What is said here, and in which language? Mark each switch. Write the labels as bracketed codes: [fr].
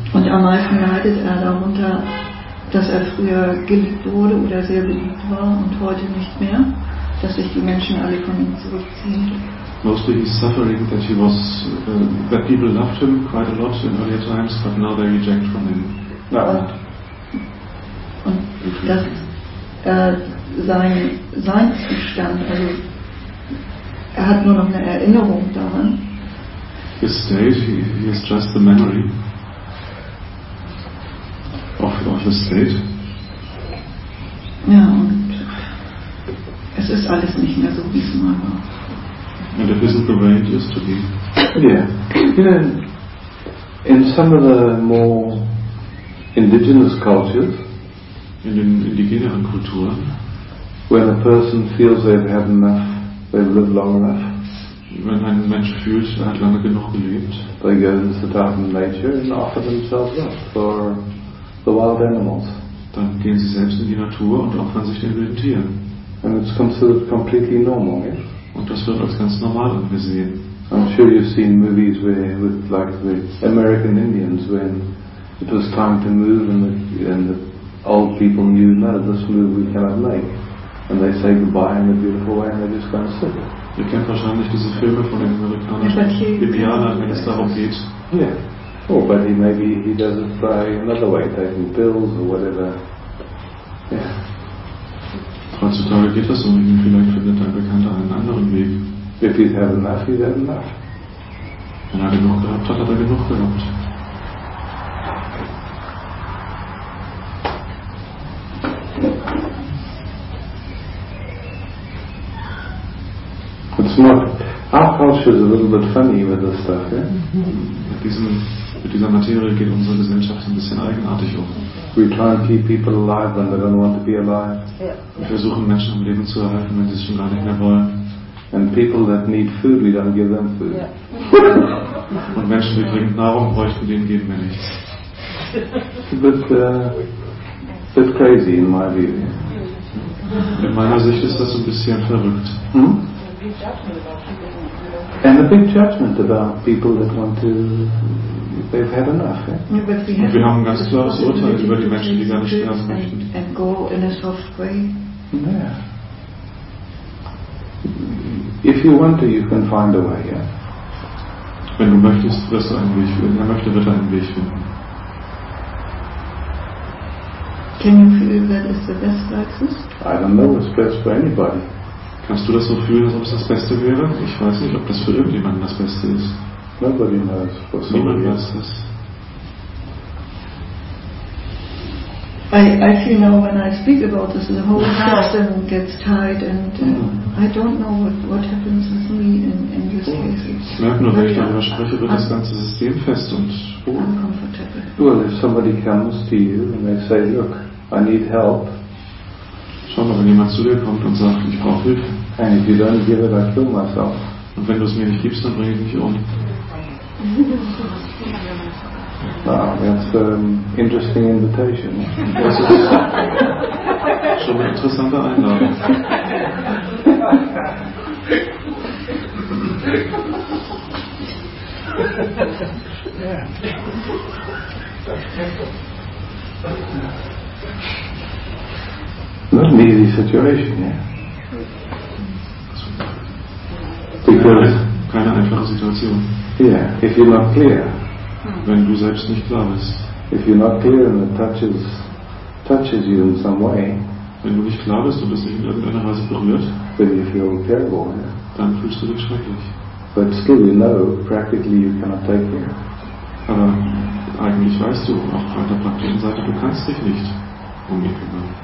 [de] Und am meisten leidet er darunter, dass er früher geliebt wurde oder sehr beliebt war und heute nicht mehr, dass sich die Menschen alle von ihm zurückziehen. [en] Mostly he's suffering that he was that people loved him quite a lot in earlier times, but now they reject from him. [de] Und dass sein Zustand, also er hat nur noch eine Erinnerung daran. [en] His state, he has just the memory of his state. [de] Ja, und es ist alles nicht mehr so, wie es mal war. [en] And it isn't the way it used to be. Yeah. You know, in some of the more indigenous cultures, [de] in den indigeneren Kulturen, [en] when a person feels they've had enough, they've lived long enough, [de] wenn ein Mensch fühlt, er hat lange genug gelebt, [en] they go and sit out in nature and offer themselves up for the wild animals. [de] Dann gehen sie selbst in die Natur und opfern sich den wilden Tieren. [en] And it's considered completely normal, yeah? [de] Und das wird als ganz normal angesehen. [en] I'm sure you've seen movies where, with like the American Indians, when it was time to move and the old people knew, no, this move we cannot make. And they say goodbye in a beautiful way and they just go and sit. [de] Ihr kennt wahrscheinlich diese Filme von den amerikanischen Indianern, wenn es darum geht. [en] Yeah. Or but maybe he does it by another way, taking pills or whatever. Yeah. [de] Heutzutage geht das um ihn, vielleicht findet ein Bekannter einen anderen Weg. [en] If he's had enough, he's had enough. [de] Wenn er genug gehabt hat, hat er genug gehabt. [en] It's not, our culture is a little bit funny with this stuff, yeah? [de] Mit dieser Materie geht unsere Gesellschaft ein bisschen eigenartig um. [en] We try and keep people alive when they don't want to be alive. [de] Wir versuchen Menschen am Leben zu erhalten, wenn sie es schon gar nicht mehr wollen. [en] And people that need food, we don't give them food. Yeah. [de] Und Menschen, die dringend Nahrung bräuchten, denen geben wir nichts. [en] A bit crazy in my view. [de] In meiner Sicht ist das ein bisschen verrückt. [en] And a big judgment about people that want to. They've had enough. Yeah? [de] Und wir haben ein ganz klares Urteil über die Menschen, die gar nicht sterben möchten. [en] And go in a soft way. Yeah. If you want to, you can find a way. Yeah. [de] Wenn du möchtest, wirst du einen Weg finden. Wenn er möchte, wird er einen Weg finden. [en] Can you feel that is the best practice? I don't know. It's best for anybody. [de] Kannst du das so fühlen, als ob es das Beste wäre? Ich weiß nicht, ob das für irgendjemanden das Beste ist. [en] Nobody knows what somebody else is. I feel now when I speak about this, the whole house gets tight and I don't know what happens with me in this case. [de] Ich merke nur, wenn ich darüber spreche, wird das ganze System fest und [en] uncomfortable. Well, if somebody comes to you and they say, look, I need help. [de] Schau mal, wenn jemand zu dir kommt und sagt, ich brauche Hilfe. [en] And if you don't give it, I kill myself. [de] Und wenn du es mir nicht gibst, dann bringe ich mich um. [en] Ah, that's an interesting invitation. [de] Das ist schon eine interessante Einladung. [en] Not an easy situation, yeah. Because [de] keine einfache Situation. [en] Yeah, if you're not clear. [de] Wenn du selbst nicht klar bist. [en] If you're not clear and it touches you in some way. [de] Wenn du nicht klar bist und es dich in irgendeiner Weise berührt. [en] Then you feel terrible, yeah. [de] Dann fühlst du dich schrecklich. [en] But still you know, practically you cannot take care. [de] Aber eigentlich weißt du, auch auf der praktischen Seite, du kannst dich nicht um mich kümmern.